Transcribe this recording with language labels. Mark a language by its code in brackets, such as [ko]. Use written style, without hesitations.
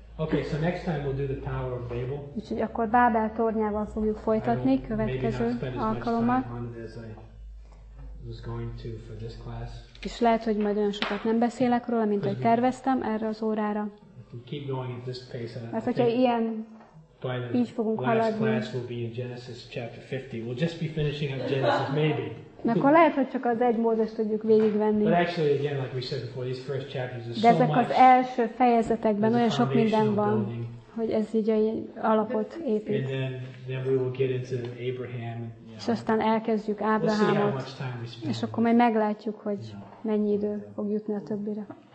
[en] Okay, so next time we'll do the Tower of Babel. [hu] Úgyhogy akkor Bábel tornyával fogjuk folytatni következő alkalommal. [en] Was going to for this class. [hu] És lehet, hogy majd olyan sokat nem beszélek róla, mint ahogy terveztem erre az órára. [en] Keep going at this pace, [hu] mert hogyha ilyen így fogunk haladni, [en] will be in Genesis chapter 50. We'll just be finishing up Genesis, maybe. [hu] Akkor lehet, hogy csak az egy Mózes tudjuk végigvenni. [en] But actually, again, like we said before, these first chapters is so much. [hu] De ezek az első fejezetekben olyan sok minden van, hogy ez így alapot épít. [en] And then we will get into Abraham. [hu] És aztán elkezdjük Ábrahámot, és akkor majd meglátjuk, hogy mennyi idő fog jutni a többire.